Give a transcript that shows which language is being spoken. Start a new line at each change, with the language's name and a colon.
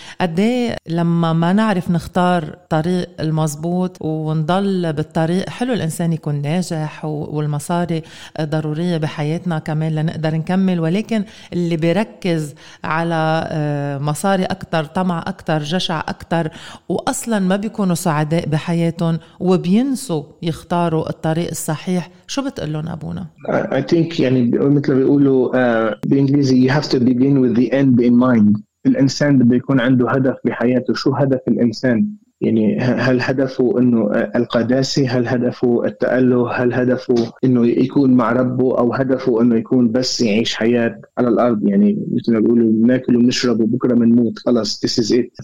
Arabic: قدي لما ما نعرف نختار طريق المزبوط ونضل بالطريق، حلو الإنسان يكون ناجح والمصاري ضرورية بحياتنا كمان لنقدر نكمل، ولكن اللي بيركز على مصاري أكتر، طمع أكتر، جشع أكتر، وأصلا ما بيكونوا سعداء بحياتهم وبينسوا يختاروا اختاروا الطريق الصحيح، شو بتقول لهم أبونا؟
English: I think
Arabic: يعني مثل بيقولوا بالإنجليزي
English: you have to begin with the end in mind.
Arabic: الإنسان بده يكون عنده هدف بحياته. شو هدف الإنسان؟ يعني هل هدفه إنه القداسي؟ هل هدفه التأله؟ هل هدفه إنه يكون مع ربه؟ أو هدفه إنه يكون بس يعيش حياة على الأرض؟ يعني مثل بيقولوا ناكل ونشرب وبكرة منموت، خلاص
English: this is it.